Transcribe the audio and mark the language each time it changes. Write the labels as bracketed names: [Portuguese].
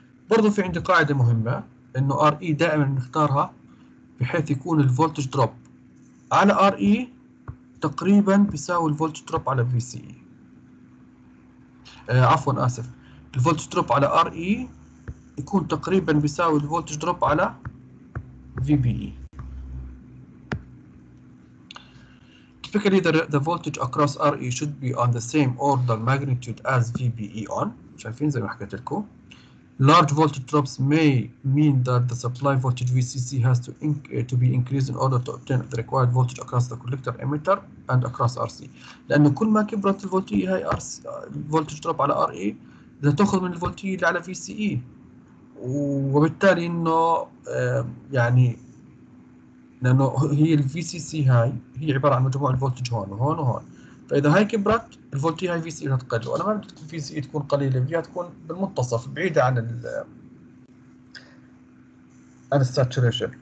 [Arabic] برضه في عندي قاعدة مهمة انه ار اي دائما نختارها بحيث يكون الفولتج دروب على ار اي تقريبا بيساوي الفولتج دروب على في سي اي. عفوا اسف، الفولتج دروب على ار اي يكون تقريبا بيساوي الفولتج دروب على في بي اي. [English] Typically the voltage across RE should be on the same order magnitude as VBE on. [Arabic] شايفين زي ما حكيت لكم. [English] Large voltage drops may mean that the supply voltage VCC has to be increased in order to obtain the required voltage across the collector emitter and across RC. [Arabic] لأنه كل ما كبرت الفولتية هاي [English] RC voltage drop [Arabic] على RE بدها تاخذ من الفولتية اللي على VCE. وبالتالي إنه يعني لانه هي ال VCC هاي هي عباره عن مجموع الفولتج هون وهون وهون، فاذا هاي كبرت الفولتج هاي VCE رح تقل، وانا ما بدي تكون VCE تكون قليله، بديها تكون بالمنتصف بعيده عن عن الساتوريشن.